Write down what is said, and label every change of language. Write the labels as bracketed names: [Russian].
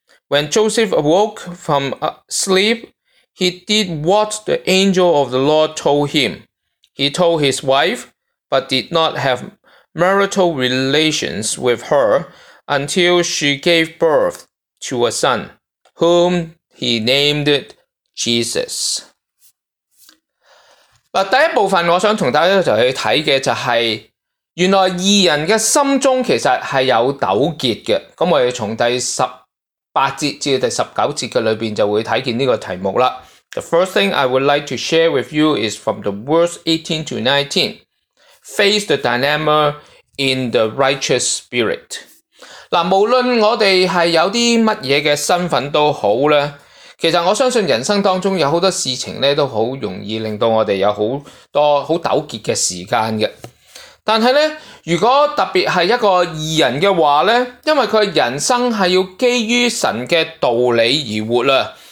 [English] When Joseph awoke from sleep, he did what the angel of the Lord told him. He told his wife, but did not have marital relations with her until she gave birth to a son, whom he named Jesus. [Chinese] 第一部分我想跟大家看的就是原来异人的心中其实是有纠结的，我们从第十八节至第十九节的里面就会看见这个题目了。 [English] The first thing I would like to share with you is from the verse 18 to 19, face the dilemma in the righteous spirit. [Chinese] 无论我们是有什么样的身份都好，其实我相信人生当中有很多事情都很容易令到我们有很多很纠结的时间的，但是呢，如果特别是一个义人的话呢，因为他人生是要基于神的道理而活了。